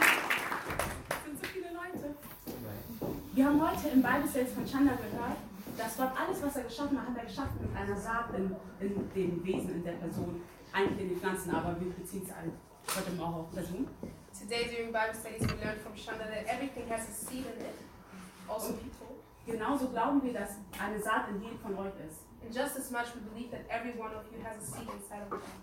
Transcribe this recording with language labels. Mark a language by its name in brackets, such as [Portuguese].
[German] sind so viele Leute. Wir haben heute im Bible-Sales von Chanda gehört, dass Gott alles, was er geschaffen hat, hat er geschaffen mit einer Saat in dem Wesen, in der Person. Eigentlich in den Pflanzen, aber wir beziehen es heute auch auf Person. [English] Today during Bible studies we learned from Shanda that everything has a seed in it, also people. [German] Genauso glauben wir, dass eine Saat in jedem von euch ist. [English] And just as much we believe that every one of you has a seed inside of you.